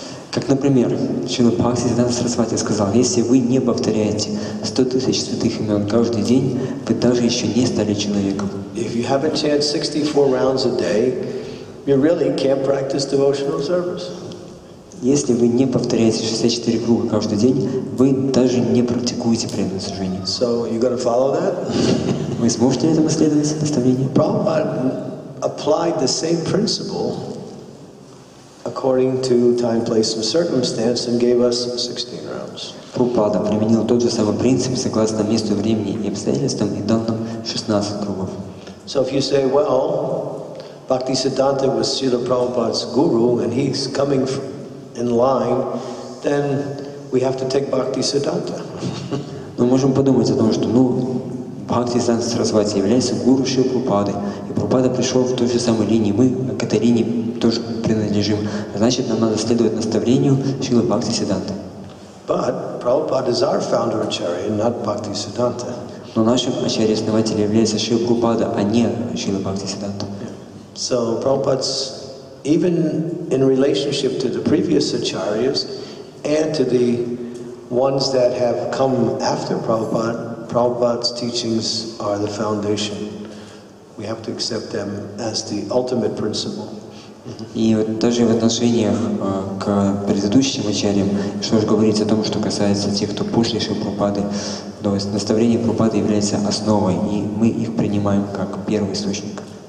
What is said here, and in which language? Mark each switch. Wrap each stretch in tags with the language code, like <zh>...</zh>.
<ru>Как, например, Шрила Бхактисиддханта Сарасвати сказал, если вы не повторяете 100 тысяч святых имен каждый день, вы даже еще не стали человеком.</ru> <en>If you haven't chanted 64 rounds a day, you really can't practice devotional service.</en> <ru>Если вы не повторяете 64 круга каждый день, вы даже не практикуете преданное служение.</ru> <en>So you gotta follow that?</en> <ru>Вы сможете этому следовать, наставлению?</ru> <en>Prabhupada applied the same principle according to time, place, and circumstance and gave us 16 rounds.</en> <ru>Prabhupada применил тот же самый принцип согласно месту, времени и обстоятельствам и дал нам 16 кругов.</ru> <en>So if you say, well, Bhaktisiddhanta was Srila Prabhupada's guru and he's coming from in line, then we have to take Bhaktisiddhanta.</en> <ru>Мы можем подумать о том, что Бхактисиддханта Сарасвати является гуру Шрилы Прабхупады, и Прабхупада пришел в той же самой линии, мы к этой линии тоже принадлежим. Значит, нам надо следовать наставлению Шрилы Бхактисиддханты.</ru> <en>But Prabhupada is our founder acharya, not Bhaktisiddhanta.</en> <ru>Но нашим ачарьей-основателем является Шрила Прабхупада, а не Шрила Бхактисиддханта.</ru> <en>So Prabhupada's even in relationship to the previous acharyas and to the ones that have come after Prabhupada's teachings are the foundation. We have to accept them as the ultimate principle.</en> <ru>И вот даже в отношениях к предыдущим ачарьям, что же говорить о том, что касается тех, кто после Шрилы Прабхупады, то есть наставление Прабхупады является основой, и мы их принимаем как первый источник.</ru>